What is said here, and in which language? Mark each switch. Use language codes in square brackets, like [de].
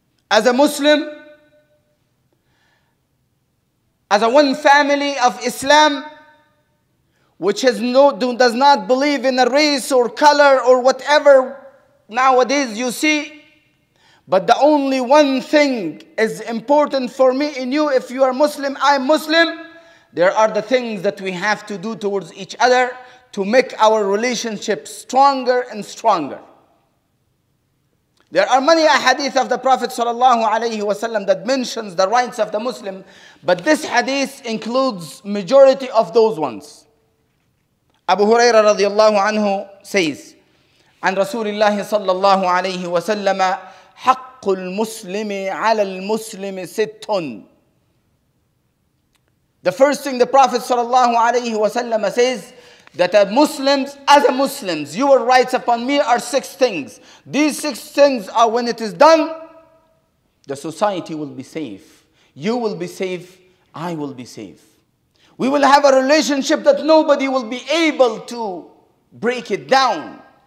[en] As a Muslim, as a one family of Islam, which has no, does not believe in a race or color or whatever nowadays you see, but the only one thing is important for me and you, if you are Muslim, I'm Muslim, there are the things that we have to do towards each other to make our relationship stronger and stronger. There are many hadith of the Prophet sallallahu alayhi wa sallam that mentions the rights of the Muslim, but this hadith includes majority of those ones. Abu Huraira radiallahu anhu says, [ar] عن رسول الله صلى الله عليه وسلم حق المسلم على المسلم ست. [en] The first thing the Prophet sallallahu alayhi wa sallam says, that as a Muslims, your rights upon me are six things. These six things are, when it is done, the society will be safe. You will be safe, I will be safe. We will have a relationship that nobody will be able to break it down.